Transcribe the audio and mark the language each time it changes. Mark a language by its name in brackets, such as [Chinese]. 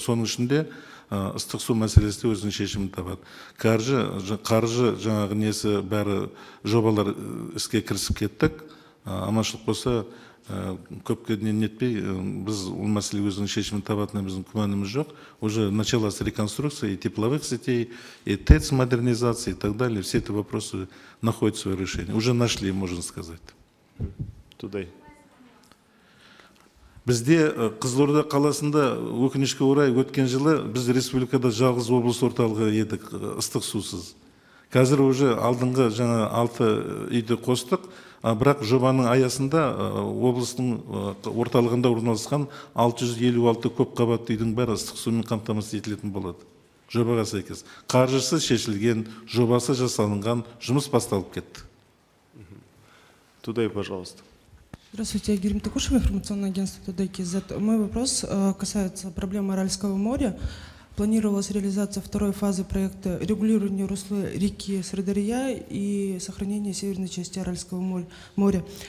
[Kazakh] Соның ішінде ыстық су мәселесі де өзінің шешімін табады. Қаржы жаңағы несі бәрі жобалар іске кірісіп кеттік. Амалшылық болса көпке дейін нетпей, біз ол мәселе өзінің шешімін табатынына біздің күмәніміз жоқ. [Russian] Уже началась реконструкция и тепловых сетей, и ТЭЦ модернизации и так далее. Все эти вопросы находят свое решение. Уже нашли, можно сказать. [Kazakh] Тудай. Бізде Қызылорда қаласында өкінішке орай өткен жылы біз республикада жалғыз облыс орталығы едік ыстық сусыз. Қазір уже алдыңғы жаңа 6 үйді қостық. Бірақ жобаның аясында облыстың орталығында орналасқан 656 көпқабатты үйдің бәрі ыстық сумен қамтамасыз етілетін болады. Жобаға сәйкес. Қаржысы шешілген, жобасы жасалынған, жұмыс басталып кетті. [Russian] Тудай, пожалуйста. Здравствуйте, я Гюрим Токушев, информационное агентство Тудай Кизет. Мой вопрос касается проблемы Аральского моря. Планировалась реализация второй фазы проекта регулирования русла реки Сырдарья и сохранения северной части Аральского моря.